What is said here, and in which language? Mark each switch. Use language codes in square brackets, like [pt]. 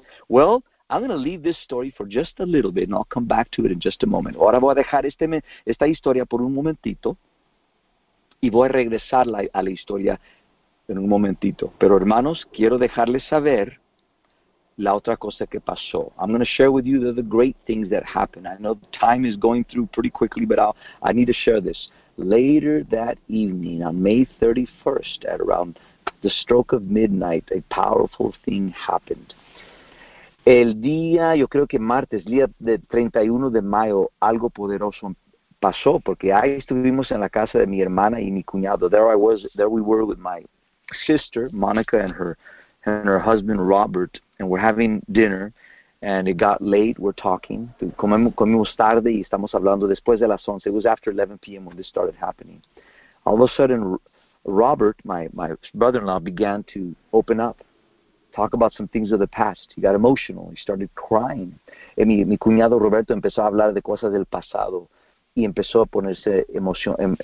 [en] Well, I'm going to leave this story for just a little bit, and I'll come back to it in just a moment. [es] Ahora voy a dejar esta historia por un momentito, y voy a regresar a la historia en un momentito. Pero hermanos, quiero dejarles saber la otra cosa que pasó. [en] I'm going to share with you the great things that happened. I know time is going through pretty quickly, but I need to share this. Later that evening, on May 31st, at around the stroke of midnight, a powerful thing happened. [es] El día, yo creo que martes, día de 31 de mayo, algo poderoso pasó, porque ahí estuvimos en la casa de mi hermana y mi cuñado. [en] There we were with my sister, Monica, and her husband, Robert, and we're having dinner, and it got late, we're talking. [es] Comimos tarde y estamos hablando después de las 11. [en] It was after 11 p.m. when this started happening. All of a sudden, Robert, my brother-in-law, began to open up, talk about some things of the past. He got emotional. He started crying. [es] Y mi cuñado Roberto empezó a hablar de cosas del pasado y empezó a ponerse emoción.